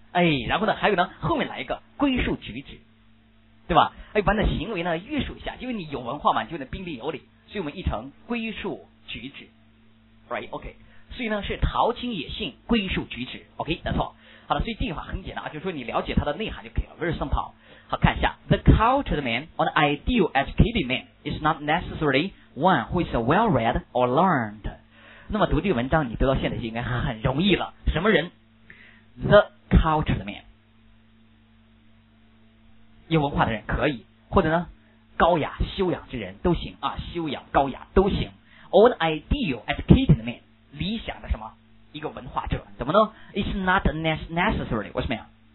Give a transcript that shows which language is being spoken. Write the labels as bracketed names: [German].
[Chinese] 哎，然后呢还有呢后面来一个归属举止，对吧？哎，把那行为呢约束一下，因为你有文化嘛，就能彬彬有礼，所以我们译成归属举止 right？ OK， 所以呢是陶情野性归属举止 OK， 没错。好了，所以这句话很简单啊，就是说你了解它的内涵就可以了。 [English] Very simple。 [Chinese] 好，看一下 [English] ，The cultured man or the ideal educated man is not necessarily one who is well read or learned。 [Chinese] 那么读这个文章，你读到现在应该很容易了。什么人 ？ [English] The cultured man， [Chinese] 有文化的人可以，或者呢，高雅修养之人都行啊，修养高雅都行。 [English] Or the ideal educated man， [Chinese] 理想的什么？一个文化者怎么呢 ？ [English] It's not necessarily， [Chinese] 为什么呀？